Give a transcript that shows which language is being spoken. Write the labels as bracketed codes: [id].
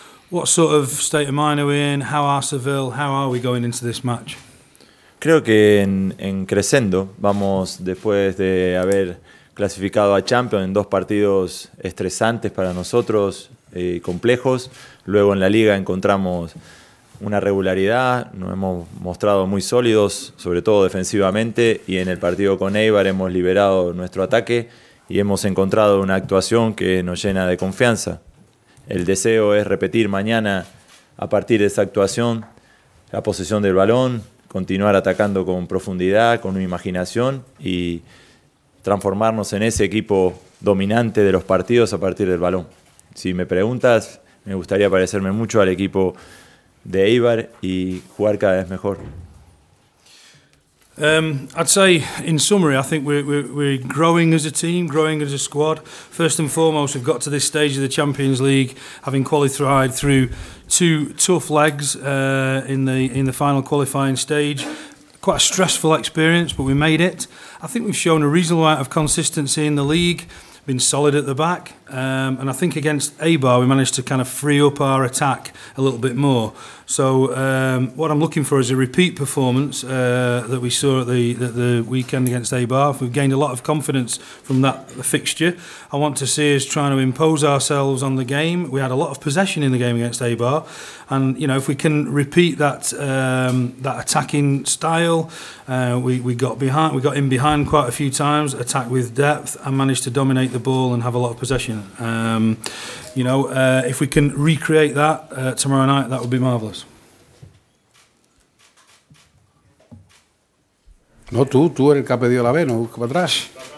[en] What sort of state of mind are we in? How are Seville? How are we going into this match? [es] Creo que en crescendo vamos después de haber clasificado a Champions en dos partidos estresantes para nosotros, complejos. Luego en la Liga encontramos una regularidad, nos hemos mostrado muy sólidos, sobre todo defensivamente, y en el partido con Eibar hemos liberado nuestro ataque y hemos encontrado una actuación que nos llena de confianza. El deseo es repetir mañana, a partir de esa actuación, la posesión del balón, continuar atacando con profundidad, con imaginación y transformarnos en ese equipo dominante de los partidos a partir del balón. Si me preguntas, me gustaría parecerme mucho al equipo de Eibar y jugar cada vez mejor. [en] I'd say, in summary, I think we're growing as a team, growing as a squad. First and foremost, we've got to this stage of the Champions League, having qualified through two tough legs in the final qualifying stage. Quite a stressful experience, but we made it. I think we've shown a reasonable amount of consistency in the league, been solid at the back, and I think against Eibar we managed to kind of free up our attack a little bit more. So what I'm looking for is a repeat performance that we saw at the weekend against Eibar. If we've gained a lot of confidence from that fixture. I want to see us trying to impose ourselves on the game. We had a lot of possession in the game against Eibar, and you know, if we can repeat that that attacking style, we got in behind quite a few times, attack with depth, and managed to dominate the ball and have a lot of possession. If we can recreate that tomorrow night, that would be marvellous. [es] No, tú eres el que ha pedido la B, no busca para atrás.